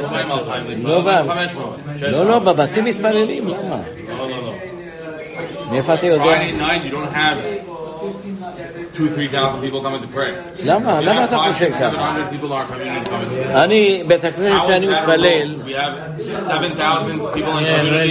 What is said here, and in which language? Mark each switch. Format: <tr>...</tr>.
<he>2000 לא בבתים מתפללים למה מאיפה אתה יודע?</he> <en>Friday night, you don't have 2,000-3,000 people coming to pray.</en> <he>למה? למה אתה חושב ככה?</he> <en>700 people are coming to pray.</en> <he>אני, בית הכנסת שאני מתפלל...</he> <en>We have 7,000 people in community.</en>